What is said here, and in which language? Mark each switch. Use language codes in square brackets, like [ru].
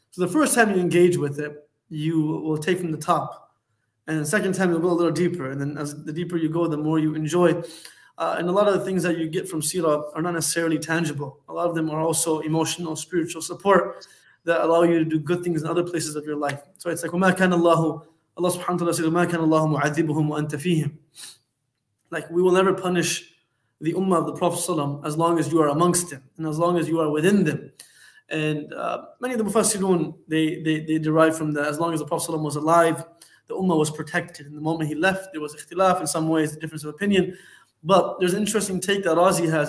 [en] So the first time you engage with it, you will take from the top. And the second time, you'll go a little deeper. And then as the deeper you go, the more you enjoy. And a lot of the things that you get from Seerah are not necessarily tangible. A lot of them are also emotional, spiritual support that allow you to do good things in other places of your life. So it's like, [ar] وَمَا كَانَ اللَّهُ Allah subhanahu wa ta'ala [en] said, [ar] وَمَا كَانَ اللَّهُ مُعَذِّبُهُمْ وَأَنْتَ فِيهِمْ. [en] Like, we will never punish the ummah of the Prophet ﷺ as long as you are amongst them and as long as you are within them. And many of the Mufassirun, they derive from that. As long as the Prophet ﷺ was alive, the ummah was protected. And the moment he left, there was ikhtilaf in some ways, the difference of opinion. But there's an interesting take that Razi has.